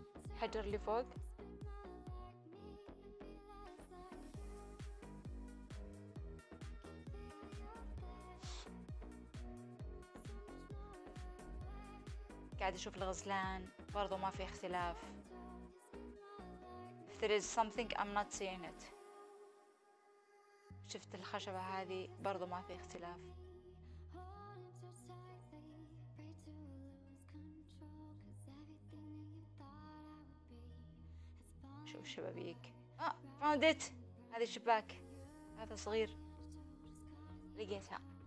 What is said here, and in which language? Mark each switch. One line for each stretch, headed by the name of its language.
Arabic: الحجر اللي فوق قاعد اشوف الغزلان برضو، ما في اختلاف.
English: If there is something I'm not seeing it.
Arabic: شفت الخشبة هذه برضو ما في اختلاف. شوف شبابيك.
English: Found it.
Arabic: هذا الشباك، هذا صغير، لقيتها.